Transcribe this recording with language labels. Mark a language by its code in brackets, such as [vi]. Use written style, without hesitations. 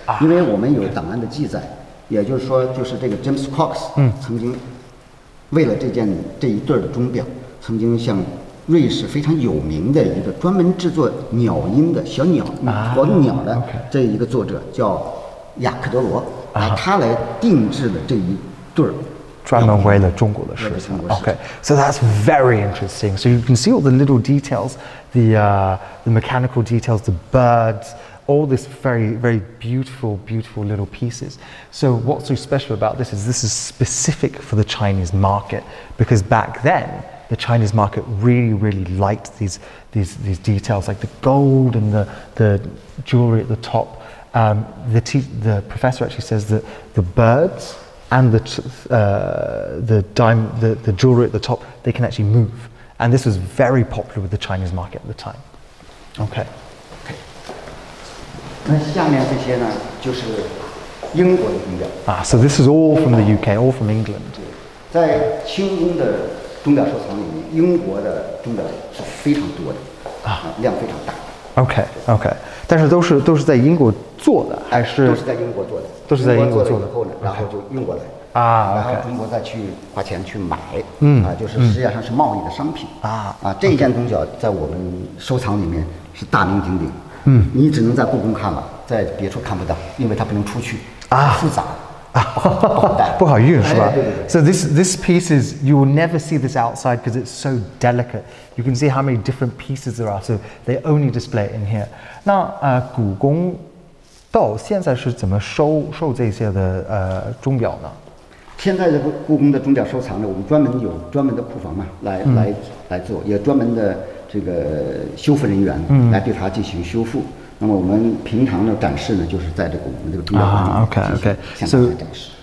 [zh] 因为我们有档案的记载，也就是说，就是这个 James Cox 曾经为了这一对的钟表，曾经向瑞士非常有名的一个专门制作鸟音的小鸟啄鸟的这一个作者叫雅克德罗，他来定制了这一对儿，专门为了中国的市场。 [en] Okay, so that's very interesting. So you can see all the little details, the mechanical details, the birds. All these very, very beautiful, beautiful little pieces. So what's so special about this is specific for the Chinese market, because back then, the Chinese market really, really liked these details, like the gold and the jewelry at the top. The professor actually says that the birds and the jewelry at the top, they can actually move. And this was very popular with the Chinese market at the time. Okay. [zh] 那下面这些呢，就是英国的钟表啊。 [en] So this is all from the UK, all from England. [zh] 在清宫的钟表收藏里面，英国的钟表是非常多的啊，量非常大。 [en] OK. [zh] 但是都是在英国做的，还是都是在英国做的？都是在英国做的。以后呢，然后就英国来啊，然后中国再去花钱去买，嗯啊，就是实际上是贸易的商品啊。这一件钟表在我们收藏里面是大名鼎鼎。嗯，你只能在故宫看了，在别处看不到，因为它不能出去啊，复杂啊，不好带，不好运是吧？哎、对。 [en] So this piece is you will never see this outside because it's so delicate. You can see how many different pieces there are, so they only display it in here. [zh] 那故宫到现在是怎么收这些的钟表呢？现在的故宫的钟表收藏呢，我们专门有专门的库房嘛，来做，也专门的。这个修复人员来对它进行修复。那么我们平常的展示呢，就是在这个我们这个钟表馆里进行现场的展示。